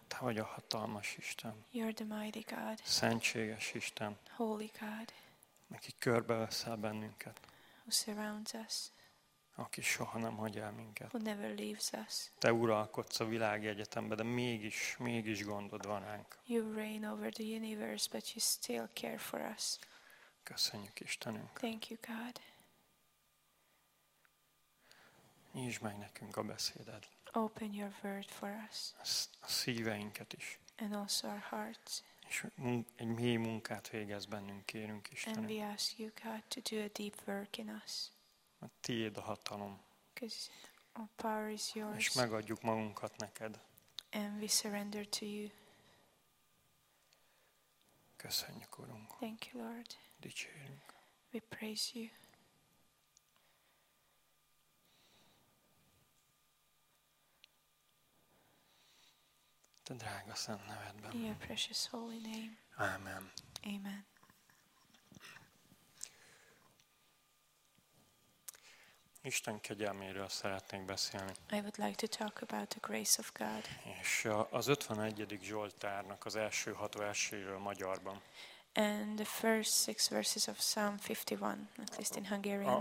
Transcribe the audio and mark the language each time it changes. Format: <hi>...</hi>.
<hu>Te vagy a hatalmas Isten.</hu> <en>You're the mighty God.</en> <hu>Szentséges Isten.</hu> <en>Holy God.</en> <hu>Aki körbeveszel bennünket.</hu> <en>Who surrounds us.</en> <hu>Aki soha nem hagy el minket.</hu> <en>Who never leaves us.</en> <hu>Te uralkodsz a világegyetemben, de mégis gondod van ránk.</hu> <en>You reign over the universe, but you still care for us.</en> <hu>Köszönjük Istenünk.</hu> <en>Thank you, God.</en> <hu>Nyisd meg nekünk a beszéded.</hu> <en>Open your word for us.</en> <hu>A szíveinket is.</hu> <en>And also our hearts.</en> <hu>És egy mély munkát végez bennünk, kérünk Istenünk.</hu> <en>And we ask you, God, to do a deep work in us.</en> <hu>A tiéd a hatalom.</hu> <en>Because our power is yours.</en> <hu>És megadjuk magunkat neked.</hu> <en>And we surrender to you.</en> <hu>Köszönjük, Urunk.</hu> <en>Thank you, Lord.</en> <hu>Dicsérünk.</hu> <en>We praise you.</en> <hu>A drága szent nevedben.</hu> <en>In your precious holy name.</en> <hu>Amen.</hu> <en>Amen.</en> <hu>Isten kegyelméről szeretnék beszélni.</hu> <en>I would like to talk about the grace of God.</en> <hu>És az 51. Zsoltárnak az első 6 verséről magyarban.</hu> <en>And the first 6 verses of Psalm 51, at least in Hungarian.</en>